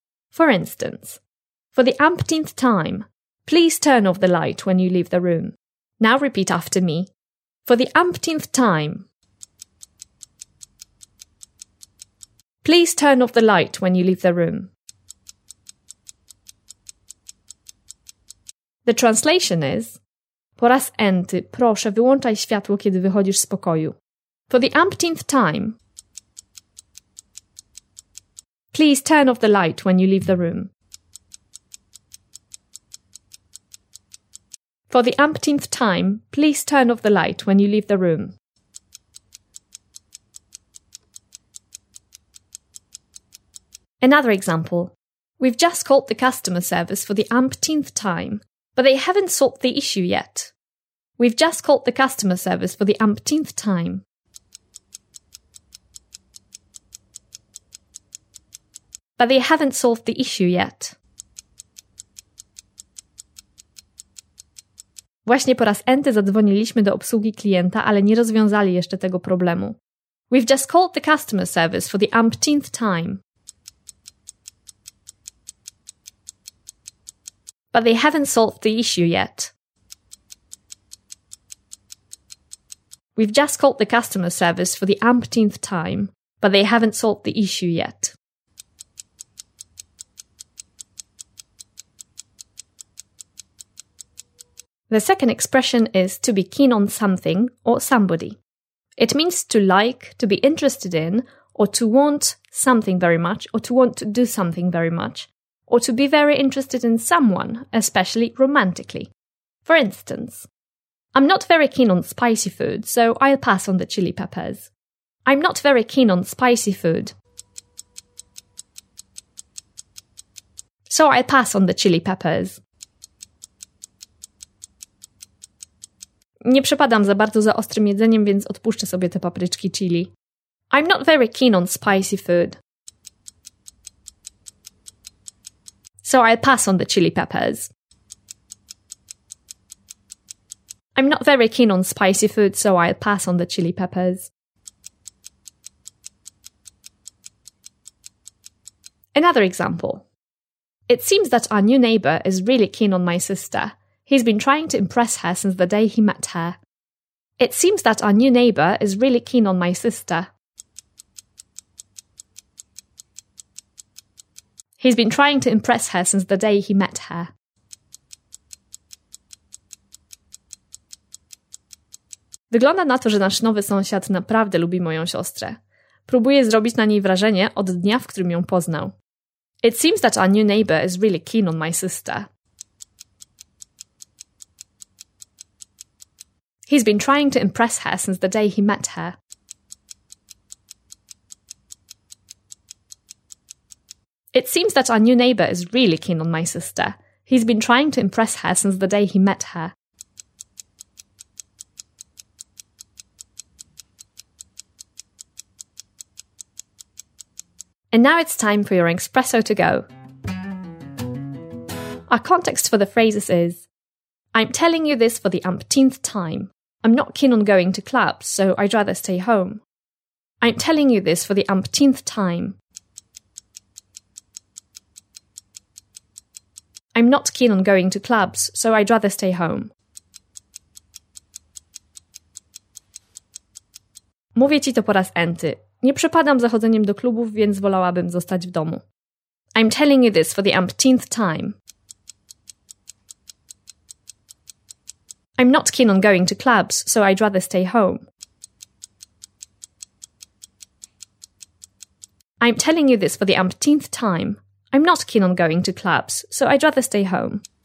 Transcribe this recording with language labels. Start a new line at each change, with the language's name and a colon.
English: For instance, for the umpteenth time, please turn off the light when you leave the room. Now repeat after me. For the umpteenth time. Please turn off the light when you leave the room. The translation is:
Polish: Po raz enty, proszę, wyłączaj światło, kiedy wychodzisz z pokoju.
English: For the umpteenth time. Please turn off the light when you leave the room. For the umpteenth time, please turn off the light when you leave the room. Another example. We've just called the customer service for the umpteenth time, but they haven't solved the issue yet. We've just called the customer service for the umpteenth time. But they haven't solved the issue yet.
Polish: Właśnie po raz enty zadzwoniliśmy do obsługi klienta, ale nie rozwiązali jeszcze tego problemu.
English: We've just called the customer service for the umpteenth time. But they haven't solved the issue yet. We've just called the customer service for the umpteenth time, but they haven't solved the issue yet. The second expression is to be keen on something or somebody. It means to like, to be interested in, or to want something very much, or to want to do something very much, or to be very interested in someone, especially romantically. For instance, I'm not very keen on spicy food, so I'll pass on the chili peppers. I'm not very keen on spicy food. So I'll pass on the chili peppers.
Polish: Nie przepadam za bardzo za ostrym jedzeniem, więc odpuszczę sobie te papryczki chili.
English: I'm not very keen on spicy food. So I'll pass on the chili peppers. I'm not very keen on spicy food, so I'll pass on the chili peppers. Another example. It seems that our new neighbor is really keen on my sister. He's been trying to impress her since the day he met her. It seems that our new neighbor is really keen on my sister. He's been trying to impress her since the day he met her.
Polish: Wygląda na to, że nasz nowy sąsiad naprawdę lubi moją siostrę. Próbuje zrobić na niej wrażenie od dnia, w którym ją poznał.
English: It seems that our new neighbor is really keen on my sister. He's been trying to impress her since the day he met her. It seems that our new neighbor is really keen on my sister. He's been trying to impress her since the day he met her. And now it's time for your espresso to go. Our context for the phrases is, I'm telling you this for the umpteenth time. I'm not keen on going to clubs, so I'd rather stay home. I'm telling you this for the umpteenth time. I'm not keen on going to clubs, so I'd rather stay home.
Polish: Mówię ci to po raz enty. Nie przepadam za chodzeniem do klubów, więc wolałabym zostać w domu.
English: I'm telling you this for the umpteenth time. I'm not keen on going to clubs, so I'd rather stay home. I'm telling you this for the umpteenth time. I'm not keen on going to clubs, so I'd rather stay home.